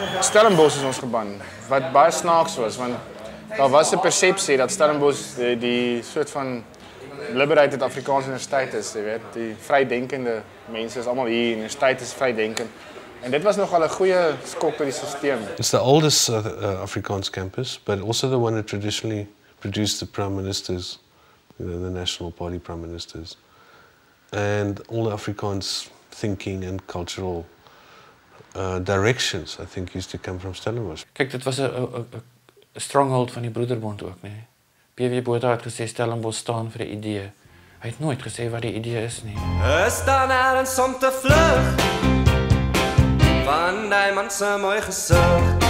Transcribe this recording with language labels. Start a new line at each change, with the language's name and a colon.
Afrikaans: Stellenbosch is ons geban, wat baie snaaks was, want daar was 'n persepsie dat Stellenbosch die soort van liberated Afrikaanse universiteit is, jy weet. Die vrydenkende mense is allemaal hier, universiteit is vrydenkend.
English: And that was
Afrikaans: nogal a goeie skok by die system.
English: It's the oldest Afrikaans campus, but also the one that traditionally produced the prime ministers, you know, the National Party prime ministers, and all the Afrikaans thinking and cultural directions, I think, used to come from Stellenbosch.
Afrikaans: Kyk, dit was 'n stronghold van die Broederbond ook, nee. P.W. Botha het gesê Stellenbosch staan vir 'n idee. Hy het nooit gesê wat die idee is nie. Is daar nêrens om te vlug? Van die man se mooi gesig.